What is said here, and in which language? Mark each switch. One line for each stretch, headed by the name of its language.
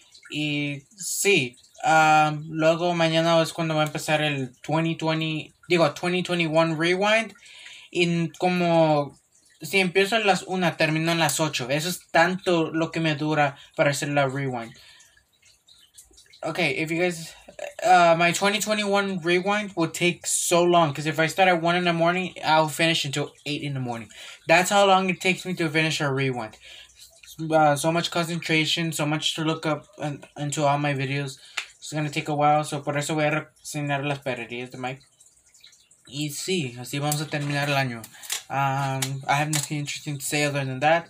Spanish: Y sí, luego mañana es cuando va a empezar el 2021 Rewind. Y como si empiezo a las 1, termino en las 8. Eso es tanto lo que me dura para hacer la Rewind.
English: Okay, if you guys, my 2021 rewind would take so long, because if I start at 1 in the morning, I'll finish until 8 in the morning. That's how long it takes me to finish a rewind. So much concentration, so much to look up into all my videos. It's gonna take a while, so
Spanish: por eso voy a reaccionar las perrerías de Mike. Y sí, así vamos a terminar el año.
English: I have nothing interesting to say other than that.